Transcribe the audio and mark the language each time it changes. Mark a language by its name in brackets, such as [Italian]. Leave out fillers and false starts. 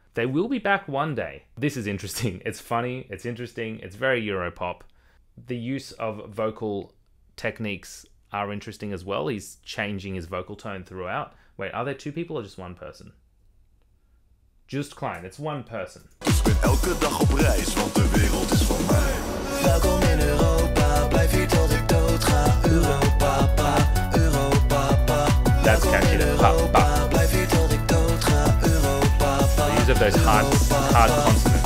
[English] They will be back one day. This is interesting. It's funny. It's interesting. It's very Europop. The use of vocal techniques are interesting as well. He's changing his vocal tone throughout. Wait, are there two people or just one person? Joost Klein, it's one person. [Dutch] Dus ik ben elke dag op reis, want de wereld is van mij. Welkom in Europa, blijf hier tot ik dood ga. Europa, pa, Europa, pa. [English] That's catchy, the pa, pa. [Dutch] Blijf hier tot ik dood ga. Europa, pa. [English] The use of those hard consonants.